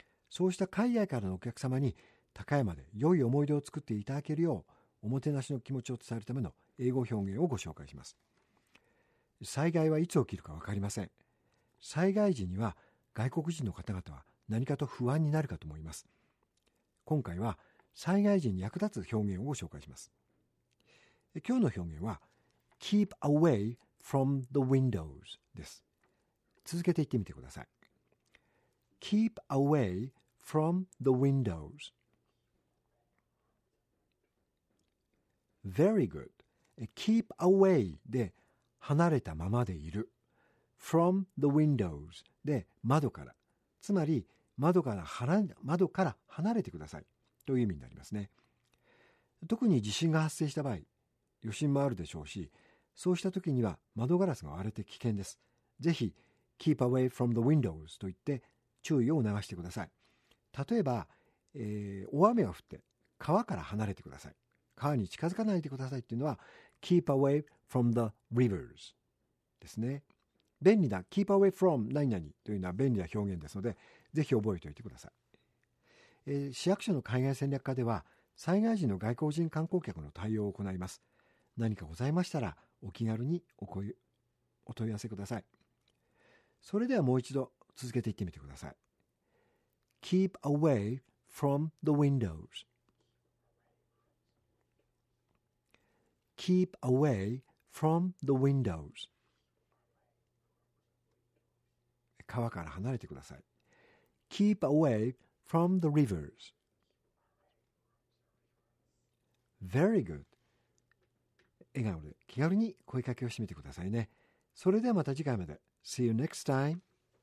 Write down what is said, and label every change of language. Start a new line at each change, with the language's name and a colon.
Japanese: そうした海外からのお客様に高山で良い思い出を作っていただけるよう、おもてなしの気持ちを伝えるための英語表現をご紹介します。災害はいつ起きるかわかりません。災害時には外国人の方々は何かと不安になるかと思います。今回は災害時に役立つ表現をご紹介します。今日の表現は
English: Keep away from the windows
Japanese: です。続けて言ってみてください。
English: Keep away from the windows. Very good. Keep away
Japanese: で離れたままでいる。
English: From the windows
Japanese: で窓から。つまり窓から離れてください。という意味になりますね。特に地震が発生した場合、余震もあるでしょうし、そうした時には窓ガラスが割れて危険です。ぜひ、
English: keep away from the windows
Japanese: と言って注意を促してください。例えば、大雨が降って川から離れてください。川に近づかないでくださいっていうのは、
English: keep away from the rivers
Japanese: ですね。便利な、
English: keep away from
Japanese: 何々というのは便利な表現ですので、ぜひ覚えておいてください。市役所の海外戦略課では、災害時の外国人観光客の対応を行います。何かございましたら、お気軽にお問い合わせください。それではもう一度続けていってみてください。
English: Keep away from the windows. Keep away from the windows.
Japanese: 川から離れてください。
English: Keep away from the rivers. Very good.
Japanese: 笑顔で気軽に声かけをしてみてくださいね。それではまた次回まで。
English: See you next time.